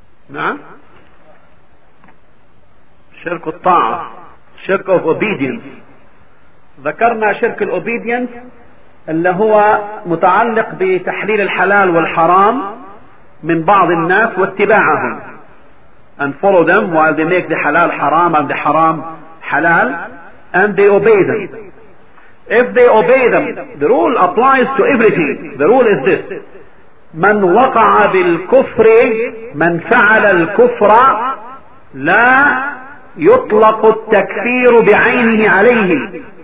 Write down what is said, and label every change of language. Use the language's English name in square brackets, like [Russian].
[Arabic] نعم، شرك الطاعة، شرك [English] of obedience. [Arabic] ذكرنا شرك الobedience اللي هو متعلق بتحليل الحلال والحرام من بعض الناس واتباعهم. [English] And follow them while they make the halal haram and the haram halal, and they obey them. If they obey them, the rule applies to everything. The rule is this: [Arabic] من وقع بالكفر من فعل الكفر لا يطلق التكفير بعينه عليه.